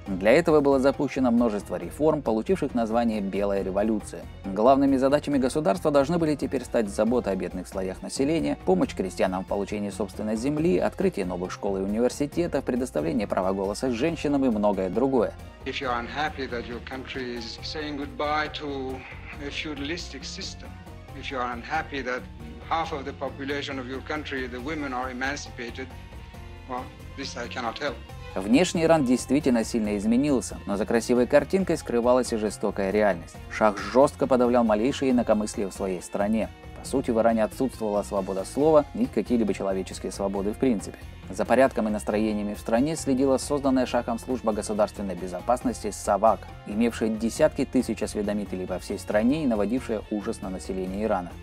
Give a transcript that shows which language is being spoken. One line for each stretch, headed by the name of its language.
Russian: Для этого было запущено множество реформ, получивших название «Белая революция». Главными задачами государства должны были теперь стать забота о бедных слоях населения, помощь крестьянам в получении собственной земли, открытие новых школ и университетов, предоставление права голоса женщинам и многое другое.
English: If you're unhappy that your country is saying goodbye to a feudalistic system, if you're unhappy that half of the population of your country, the women, are emancipated, well, this I cannot help.
Russian: Внешний Иран действительно сильно изменился, но за красивой картинкой скрывалась и жестокая реальность. Шах жестко подавлял малейшие инакомыслия в своей стране. По сути, в Иране отсутствовала свобода слова и какие-либо человеческие свободы в принципе. За порядком и настроениями в стране следила созданная Шахом служба государственной безопасности САВАК, имевшая десятки тысяч осведомителей по всей стране и наводившая ужас на население Ирана.